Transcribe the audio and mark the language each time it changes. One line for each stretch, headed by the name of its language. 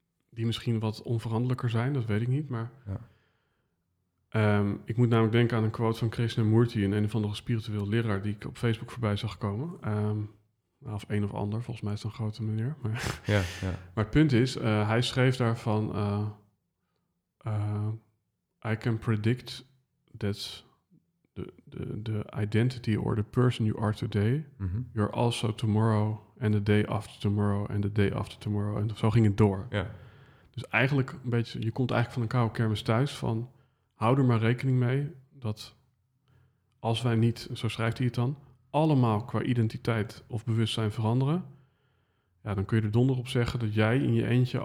Dutch: Die misschien wat onveranderlijker zijn, dat weet ik niet. Maar ja. Ik moet namelijk denken aan een quote van Krishnamurti, een of andere spiritueel leraar die ik op Facebook voorbij zag komen. Of een of ander, volgens mij is het een grote meneer. Maar, ja, ja. Maar het punt is, hij schreef daarvan...
English: I can predict that the identity or the person you are today... Mm-hmm. You're also tomorrow and the day after tomorrow and the day after tomorrow.
Dutch: En zo ging het door. Ja. Dus eigenlijk een beetje, je komt eigenlijk van een koude kermis thuis van... Hou er maar rekening mee dat als wij niet, zo schrijft hij het dan... allemaal qua identiteit of bewustzijn veranderen... ja, dan kun je er donder op zeggen dat jij in je eentje...